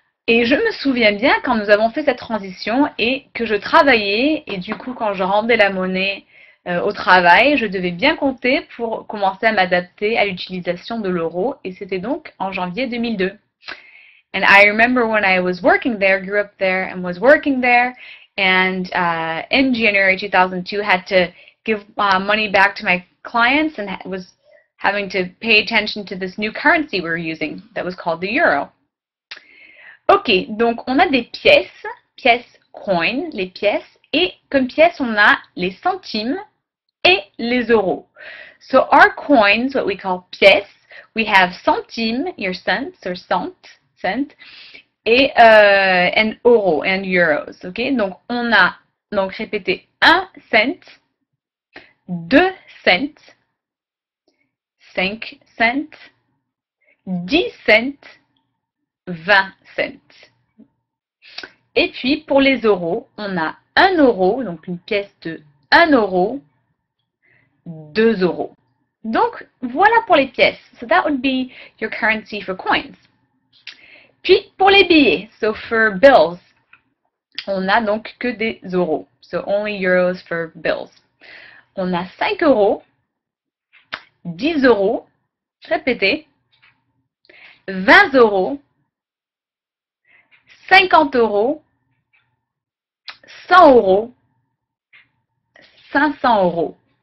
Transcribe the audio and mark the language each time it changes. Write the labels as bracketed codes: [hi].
[fr] Et je me souviens bien quand nous avons fait cette transition et que je travaillais, et du coup quand je rendais la monnaie au travail, je devais bien compter pour commencer à m'adapter à l'utilisation de l'euro, et c'était donc en janvier 2002. [en] And I remember when I was working there, grew up there and was working there, and in January 2002 had to give money back to my clients and was having to pay attention to this new currency we were using that was called the euro. [fr] Ok, donc on a des pièces, pièces coins, les pièces, et comme pièces on a les centimes et les euros. [en] So our coins, what we call pièces, we have centimes, your cents, or cent, cent, et and euro, and euros, ok? [fr] Donc on a, donc répété, 1 cent, 2 cents, 5 cents, 10 cents, 20 cents. Et puis, pour les euros, on a 1 euro, donc une pièce de 1 euro, 2 euros. Donc, voilà pour les pièces. [en] So, that would be your currency for coins. [fr] Puis, pour les billets, [en] so for bills, [fr] on a donc que des euros. [en] So, only euros for bills. [fr] On a 5 euros, 10 euros, répétez, 20 euros, 50 euros, 100 euros, 500 euros.